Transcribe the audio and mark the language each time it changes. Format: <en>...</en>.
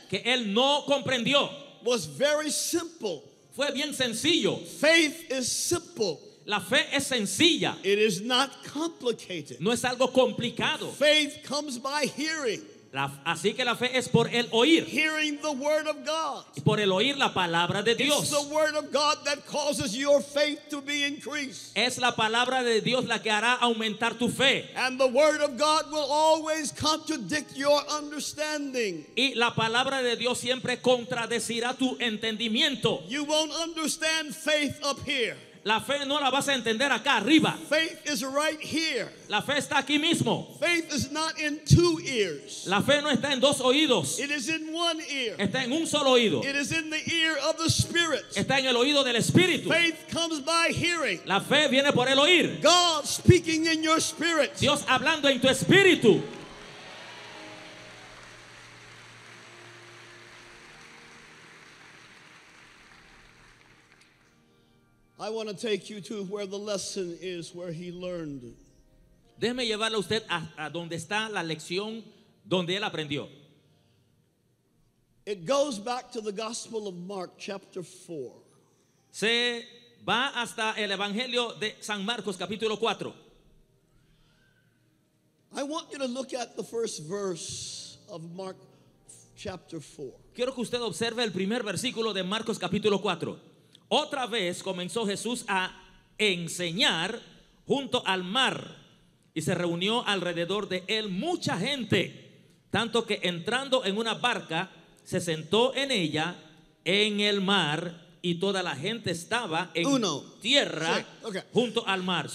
<es>Que él no comprendió.</es> <en>Was very simple.</en> <es>Fue bien sencillo.</es> <en>Faith is simple.</en> <es>La fe es sencilla.</es> <en>It is not complicated.</en> <es>No es algo complicado.</es> <en>Faith comes by hearing.</en> <es>Así que la fe es por el oír.</es> <en>Hearing the word of God.</en> <es>Por el oír la palabra de Dios.</es> <en>It's the word of God that causes your faith to be increased.</en> <es>Es la palabra de Dios la que hará aumentar tu fe.</es> <en>And the word of God will always contradict your understanding.</en> <es>Y la palabra de Dios siempre contradecirá tu entendimiento.</es> <en>You won't understand faith up here.</en> <es>La fe no la vas a entender acá arriba.</es> <en>Faith is right here.</en> <es>La fe está aquí mismo.</es> <en>Faith is not in two ears.</en> <es>La fe no está en dos oídos.</es> <en>It is in one ear.</en> <es>Está en un solo oído.</es> <en>It is in the ear of the Spirit.</en> <es>Está en el oído del Espíritu.</es> <en>Faith comes by hearing.</en> <es>La fe viene por el oír.</es> <en>God speaking in your spirit.</en> <es>Dios hablando en tu espíritu.</es> <en>I want to take you to where the lesson is, where he learned.</en> <es>Déjeme llevarle a usted a donde está la lección donde él aprendió.</es> <en>It goes back to the Gospel of Mark, chapter 4.</en> <es>Se va hasta el Evangelio de San Marcos, capítulo 4.</es> <en>I want you to look at the first verse of Mark, chapter 4.</en> <es>Quiero que usted observe el primer versículo de Marcos, capítulo 4. Otra vez comenzó Jesús a enseñar junto al mar, y se reunió alrededor de él mucha gente, tanto que entrando en una barca se sentó en ella en el mar, y toda la gente estaba en tierra junto al mar.</es>